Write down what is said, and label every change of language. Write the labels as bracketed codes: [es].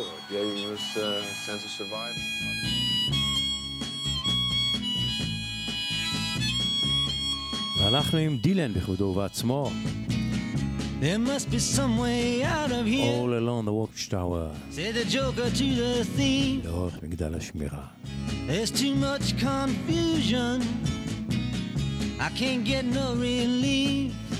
[en] It gave us a sense of survival. [he] ואנחנו עם דילן בכבודו ובעצמו. [en] There must be some way out of here. All along the watchtower. Said the Joker to the thief. [he] לאורך מגדל השמירה. [en] There's too much confusion. I can't get no relief.